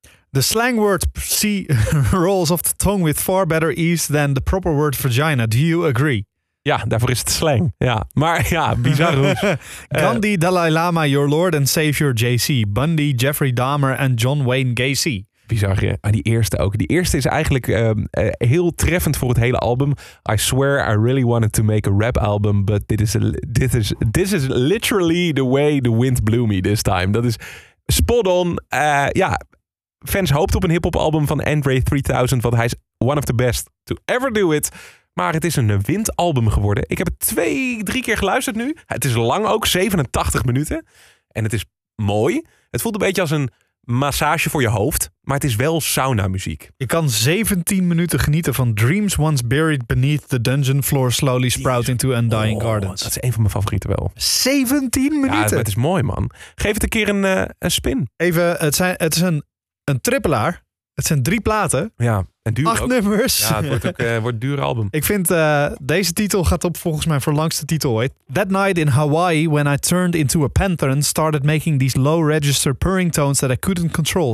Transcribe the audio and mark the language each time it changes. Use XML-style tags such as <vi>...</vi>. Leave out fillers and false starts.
<en>The slang word "c" rolls off the tongue with far better ease than the proper word vagina. Do you agree?</en> <nl>Ja, daarvoor is het slang. Ja, maar ja, bizar.</nl> <en>Gandhi, Dalai Lama, your lord and savior, JC. Bundy, Jeffrey Dahmer en John Wayne Gacy.</en> <nl>Bizar, ja. Ah, die eerste ook. Die eerste is eigenlijk heel treffend voor het hele album.</nl> <en>I swear I really wanted to make a rap album, but this is literally the way the wind blew me this time.</en> <nl>Dat is spot on. Ja. Fans hoopt op een hip-hop album van Andre 3000, want hij is</nl> <en>one of the best to ever do it.</en> <nl>Maar het is een windalbum geworden. Ik heb het 2-3 keer geluisterd nu. Het is lang ook, 87 minuten. En het is mooi. Het voelt een beetje als een massage voor je hoofd, maar het is wel sauna muziek. Je kan 17 minuten genieten van Dreams Once Buried Beneath the Dungeon Floor Slowly Sprout Into Undying Gardens. Dat is een van mijn favorieten wel. 17 minuten? Ja, het is mooi, man. Geef het een keer een spin. Even, het is een trippelaar. Het zijn 3 platen. Ja, en duur 8 nummers. Ja, het wordt ook een duur album. Ik vind deze titel gaat op volgens mijn verlangste titel ooit.</nl> <en>That night in Hawaii, when I turned into a panther and started making these low register purring tones that I couldn't control.</en>